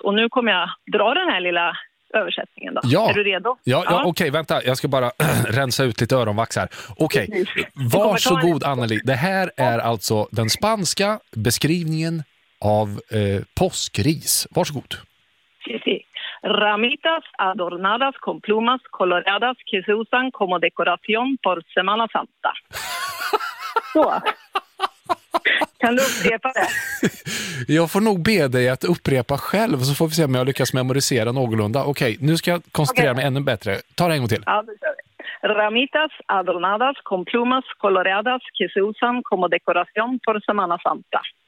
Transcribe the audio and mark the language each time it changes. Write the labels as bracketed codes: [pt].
[sv] Och nu kommer jag dra den här lilla översättningen då. Ja. Är du redo? Ja. Okej, vänta. Jag ska bara rensa ut lite öronvax här. Okej, varsågod Anneli. Det här är alltså den spanska beskrivningen av påskris. Varsågod. [es] Sí. Ramitas adornadas con plumas coloreadas que se usan como decoración por Semana Santa. [sv] Så. Kan du upprepa det? Jag får nog be dig att upprepa själv, så får vi se om jag lyckas memorisera någorlunda. Okej, nu ska jag koncentrera mig ännu bättre. Ta det en gång till. [es] Ja, ramitas adornadas con plumas coloreadas que se usan como decoración por Semana Santa.